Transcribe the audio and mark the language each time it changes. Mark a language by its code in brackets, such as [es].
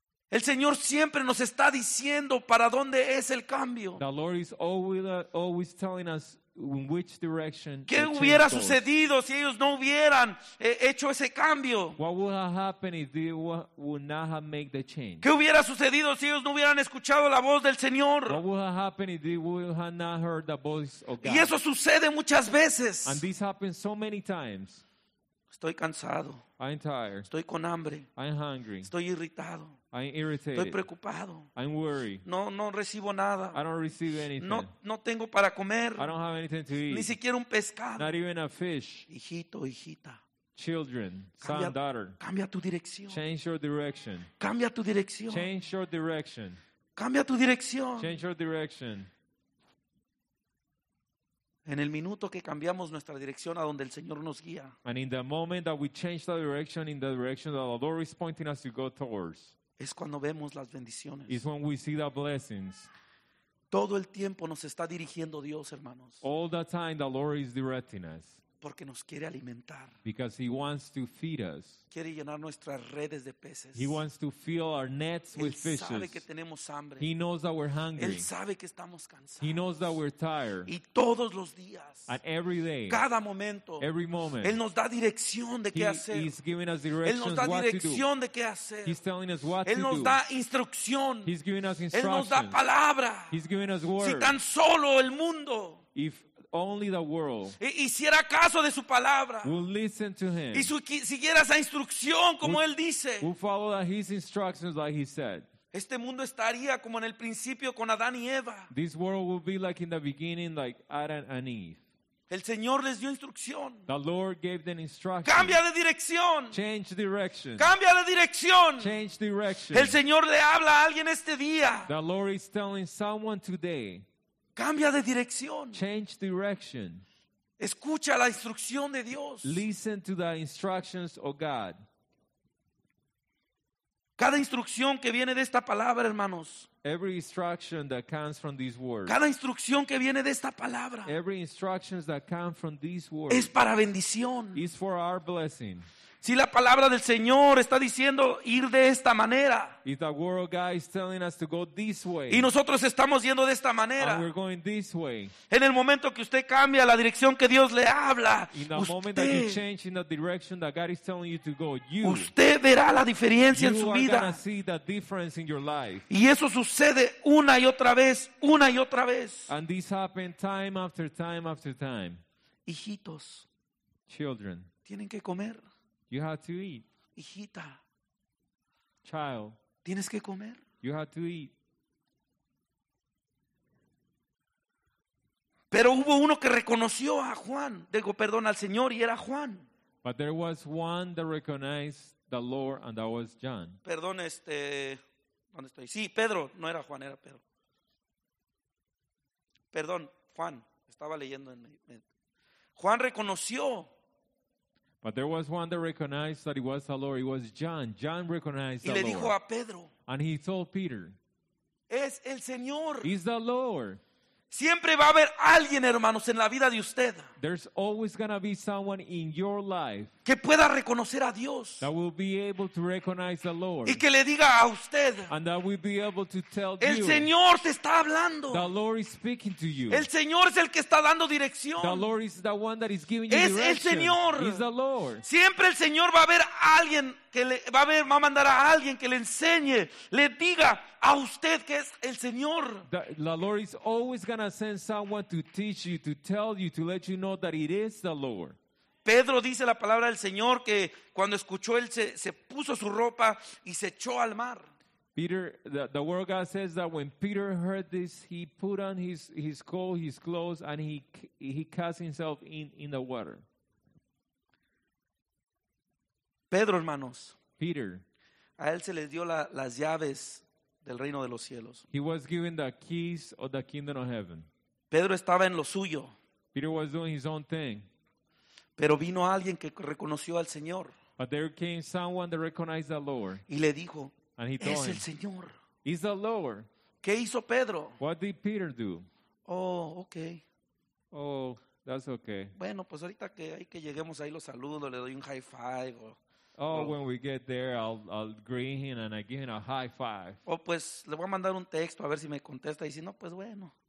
[es] El Señor siempre nos está diciendo para dónde es el cambio. [en] The Lord is always telling us in which direction. [es] ¿Qué hubiera sucedido si ellos no hubieran hecho ese cambio? [en] What would have happened if they would not have made the change? [es] ¿Qué hubiera sucedido si ellos no hubieran escuchado la voz del Señor? [en] What would have happened if they would have not heard the voice of God? [es] Y eso sucede muchas veces. [en] And this happens so many times. [es] Estoy cansado. [en] I'm tired. [es] Estoy con hambre. [en] I'm hungry. [es] Estoy irritado. [en] I'm irritated. [es] Estoy preocupado. [en] I'm worried. [es] No recibo nada. [en] I don't receive anything. [es] No tengo para comer. [en] I don't have anything to eat. [es] Ni siquiera un pescado. [en] Not even a fish. [es] Hijito, hijita. [en] Children, son, daughter. [es] Cambia tu dirección. [en] Change your direction. [es] Cambia tu dirección. [en] Change your direction. [es] Cambia tu dirección. [en] Change your direction. [es] En el minuto que cambiamos nuestra dirección a donde el Señor nos guía. [en] And in the moment that we change the direction in the direction that the Lord is pointing us to go towards. [es] Es cuando vemos las bendiciones. [en] It's when we see the blessings. [es] Todo el tiempo nos está dirigiendo Dios, hermanos. [en] All the time the Lord is directing us. [es] Porque nos quiere alimentar. [en] Because he wants to feed us. [es] Quiere llenar nuestras redes de peces. [en] He wants to fill our nets [es] Él [en] with fishes. [es] Él sabe que tenemos hambre. [en] He knows that we're hungry. [es] Él sabe que estamos cansados. [en] He knows that we're tired. [es] Y todos los días. [en] And every day. [es] Cada momento. [en] Every moment. [es] Él nos da dirección de qué hacer. [en] He's giving us directions what to do. [es] Él nos da dirección de qué hacer. [en] He's telling us what to do. [es] Él nos da instrucción. [en] He's giving us instructions. [es] Él nos da palabra. [en] He's giving us word. [es] Si tan solo el mundo. [en] If only the world [es] hiciera caso de su palabra, [en] will listen to him. [es] Y siguiera esa instrucción como él dice. [en] Will follow his instructions like he said. [es] Este mundo estaría como en el principio con Adán y Eva. [en] This world will be like in the beginning, like Adam and Eve. [es] El Señor les dio instrucción. [en] The Lord gave them instructions. [es] Cambia de dirección. [en] Change direction. [es] Cambia de dirección. [en] Change direction. [es] El Señor le habla a alguien este día. [en] The Lord is telling someone today. [es] Cambia de dirección. [en] Change direction. [es] Escucha la instrucción de Dios. [en] Listen to the instructions of God. [es] Cada instrucción que viene de esta palabra, hermanos. [en] Every instruction that comes from these words. [es] Cada instrucción que viene de esta palabra. [en] Every instructions that come from these words. [es] Es para bendición. [en] Is for our blessing. [es] Si la palabra del Señor está diciendo ir de esta manera. [en] If the word of God is telling us to go this way. [es] Y nosotros estamos yendo de esta manera. [en] And we're going this way. [es] En el momento que usted cambia la dirección que Dios le habla. [en] In the moment that you change in the direction that God is telling you to go. [es] Usted verá la diferencia en su vida. [en] You are going to see the difference in your life. [es] Y eso sucede una y otra vez, una y otra vez. [en] And this happened time after time after time. [es] Hijitos. [en] Children. [es] Tienen que comer. [en] You have to eat. [es] Hijita. [en] Child. [es] Tienes que comer. [en] You have to eat. [es] Pero hubo uno que reconoció a Juan. Digo, perdón, al Señor, y era Juan. [en] But there was one that recognized the Lord, and that was John. [es] Perdón, ¿dónde estoy? Sí, Pedro. No era Juan, era Pedro. Perdón, Juan. Estaba leyendo en mi mente. Juan reconoció. [en] But there was one that recognized that it was the Lord. It was John. John recognized [es] y le [en] the [es] dijo [en] Lord. [es] A Pedro, [en] and he told Peter, [es] es el Señor. [en] He's the Lord. [es] Siempre va a haber alguien, hermanos, en la vida de usted. [en] There's always gonna be someone in your life [es] que pueda reconocer a Dios. [en] That will be able to recognize the Lord. [es] Y que le diga a usted. [en] And that will be able to tell [es] el [en] you. [es] Señor te está hablando. [en] The Lord is speaking to you. [es] El Señor es el que está dando dirección. [en] The Lord is the one that is giving you [es] es [en] direction. [es] Es el Señor. [en] He's the Lord. [es] Siempre el Señor va a haber alguien que le va a ver, va a mandar a alguien que le enseñe, le diga a usted que es el Señor. [en] The Lord is always gonna send someone to teach you, to tell you, to let you know that it is the Lord. [es] Pedro dice la palabra del Señor que cuando escuchó él se puso su ropa y se echó al mar. [en] Peter, the word God says that when Peter heard this, he put on his coat, his clothes, and he cast himself in the water. [es] Pedro, hermanos, [en] Peter, [es] a él se les dio las llaves del reino de los cielos. [en] He was given the keys of the kingdom of heaven. [es] Pedro estaba en lo suyo. [en] Peter was doing his own thing. [es] Pero vino alguien que reconoció al Señor. [en] But there came someone that recognized the Lord. [es] Y le dijo, [en] and he told [es] es [en] him, [es] el Señor. [en] He's the Lord. [es] ¿Qué hizo Pedro? [en] What did Peter do? Oh, okay. Oh, that's okay. [es] Bueno, pues ahorita que hay que lleguemos ahí lo saludo, le doy un high five. [en] Oh, when we get there, I'll greet him and I give him a high five. [es] Oh, pues le voy a mandar un texto a ver si me contesta y si no, pues bueno.